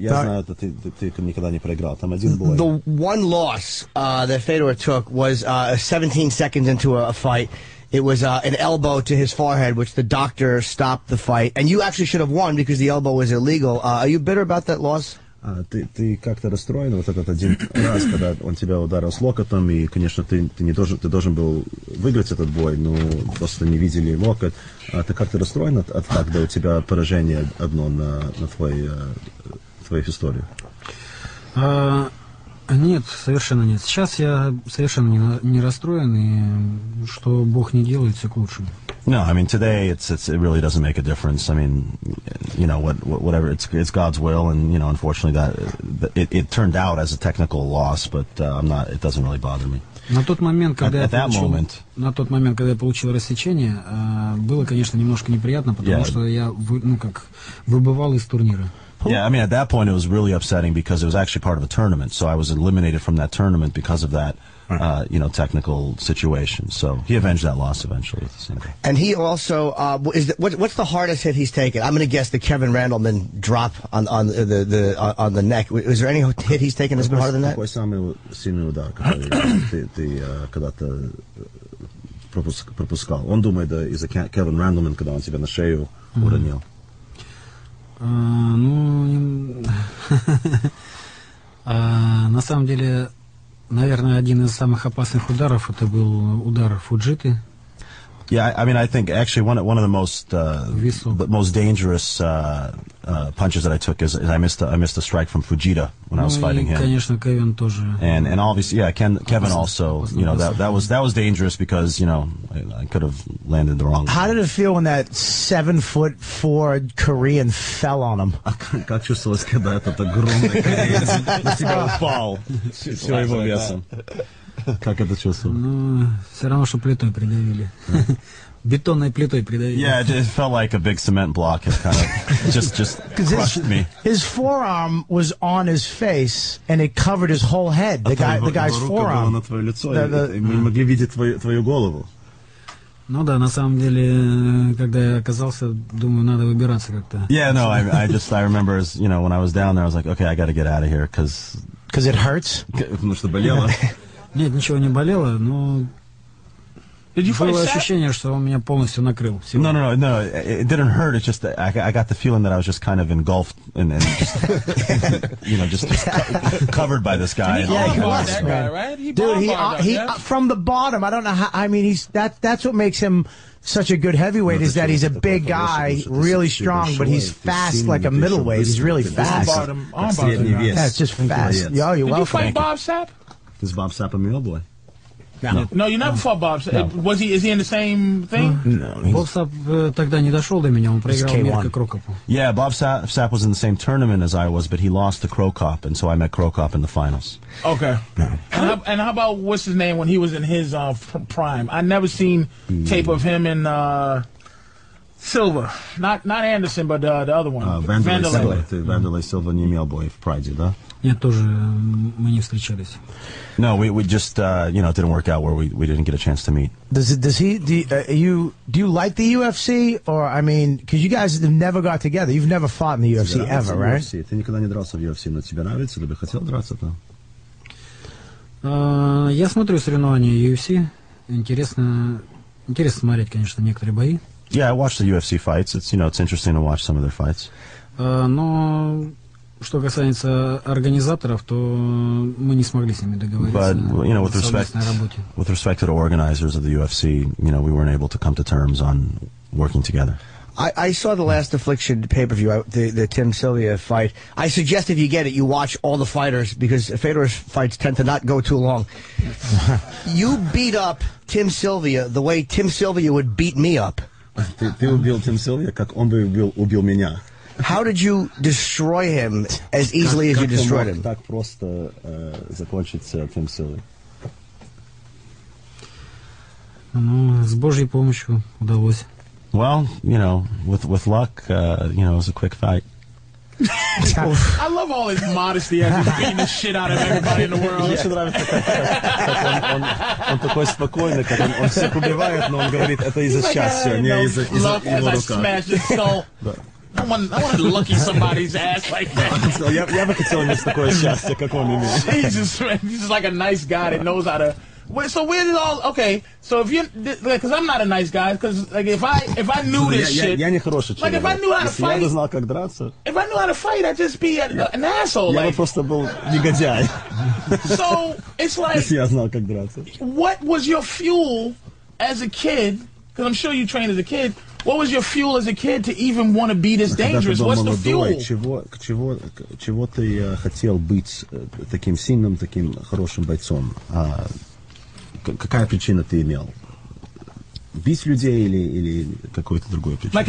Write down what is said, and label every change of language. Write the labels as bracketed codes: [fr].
[en] The one loss that Fedor took was 17 seconds into a fight. It was an elbow to his forehead, which the doctor stopped the fight. And you actually should have won because the elbow was illegal. Are you bitter about that loss? [ru] Ты как-то расстроен вот этот один раз, когда он тебя ударил с локотом, и, конечно, ты должен был выиграть этот бой, но просто не видели локоть. А ты как-то расстроен от факта, у тебя поражение одно на твоих историях? Нет, совершенно нет. Сейчас я совершенно не расстроен, и что Бог не делает, все к лучшему. [en] No, I mean today it really doesn't make a difference. I mean, you know, whatever it's God's will, and you know, unfortunately it turned out as a technical loss, but it doesn't really bother me. [ru] На тот момент, когда я получил рассечение, было, конечно, немножко неприятно, потому что я выбывал из турнира. [en] Yeah, I mean at that point it was really upsetting because it was actually part of a tournament, so I was eliminated from that tournament because of that. Technical situation. So he avenged that loss eventually. And he also what's the hardest hit he's taken? I'm going to guess the Kevin Randleman drop on the neck. Is there any hit he's taken that's been harder than that? [ru] Самый сильный удар, который когда-то пропускал. Он думает, да, из-за Кевин Рандлман, когда он себя на шею уронил. На самом деле. Наверное, один из самых опасных ударов это был удар Фуджиты. [en] Yeah, I mean, I think actually one of the most most dangerous punches that I took is I missed a strike from Fujita when I was fighting him. [ru] Конечно, Кевин тоже. [en] And obviously, yeah, Kevin also, you know, that was dangerous because, you know, I could have landed the wrong. How did it feel when that 7'4" Korean fell on him? [ru] Как чувствовалось, когда этот огромный кореец на тебя упал? Всё его весом. Как это чувствовал? Ну, все равно, что плитой придавили. Бетонной плитой придавили. [en] Yeah, it felt like a big cement block. It kind of just crushed me. His forearm was on his face, and it covered his whole head. The guy's forearm. [ru] На твое лицо. Мы могли видеть твою голову. Ну да, на самом деле, когда я оказался, думаю, надо выбираться как-то. [en] Yeah, no, I remember, you know, when I was down there, I was like, okay, I got to get out of here, because it hurts. [ru] Потому что болело. Нет, ничего не болело, но [en] did you [ru] было ощущение, что он меня полностью накрыл. Всего. [en] No, it didn't hurt. It's just that I got the feeling that I was just kind of engulfed and just, you know, just covered by this guy. And he bomb-barred that guy, right? From the bottom. I don't know how. I mean, that's what makes him such a good heavyweight is that he's a big guy, really strong, but he's fast like a middleweight. He's really fast. That's just fast. Yo, you're welcome. Did you fight Bob Sapp? Is Bob Sapp a mule boy? No, you never fought Bob Sapp. No. Is he in the same thing? No. [ru] Bob Sapp тогда не дошел до меня, он проиграл Мирка Крокопу. [en] Yeah, Bob Sapp was in the same tournament as I was, but he lost to Krokop, and so I met Krokop in the finals. Okay. No. And how about, what's his name, when he was in his prime? I never seen tape of him in Silva. Not Anderson, but the other one. [ru] Vanderlei Silva, не мил бой в Прайде, да? Нет, тоже мы не встречались. [en] No, we just it didn't work out where we didn't get a chance to meet. Do you like the UFC, or I mean, because you guys have never got together, you've never fought in the UFC ever, right? [ru] Ты никогда не дрался в UFC, но тебе нравится, ты бы хотел драться там? Я смотрю соревнования UFC. Интересно смотреть, конечно, некоторые бои. [en] Yeah, I watch the UFC fights. It's, you know, it's interesting to watch some of their fights. [ru] Но что касается организаторов, то мы не смогли с ними договориться. [en] But, you know, with respect to the organizers of the UFC, you know, we weren't able to come to terms on working together. I saw the last Affliction pay-per-view, the Tim Sylvia fight. I suggest if you get it, you watch all the fighters, because Fedor's fights tend to not go too long. You beat up Tim Sylvia the way Tim Sylvia would beat me up. [ru] Ты убил Тим Сильвия, как он бы убил меня. [en] How did you destroy him as easily as you destroyed him? [ru] Так просто закончится Тим Сильвия. Ну, с Божьей помощью удалось. [en] Well, you know, with luck, you know, it was a quick fight. I love all his modesty as he's beating the shit out of everybody in the world. [ru] Мне очень нравится, как он такой спокойный, как он всех убивает, но он говорит, это из-за счастья, не из-за его рука. [en] Love as I smash his skull. I want to lucky somebody's ass like that. [ru] Я бы хотел иметь такое счастье, как он имеет. [en] Jesus, man, he's just like a nice guy that knows how to So where did all? Okay, so if you, because I'm not a nice guy. Because like if I knew this shit, [ru] я не хороший человек. [en] Like if I knew how to fight, [ru] я бы знал как драться. [en] If I knew how to fight, I'd just be an asshole. [ru] Я бы просто был негодяй. [en] So it's like, [ru] если я знал как драться. [en] What was your fuel as a kid? Because I'm sure you trained as a kid. What was your fuel as a kid to even want to be this dangerous? What's the fuel? [ru] Чего ты хотел быть таким сильным, таким хорошим бойцом? Какая причина ты имел? Бить людей или какой-то другой причиной?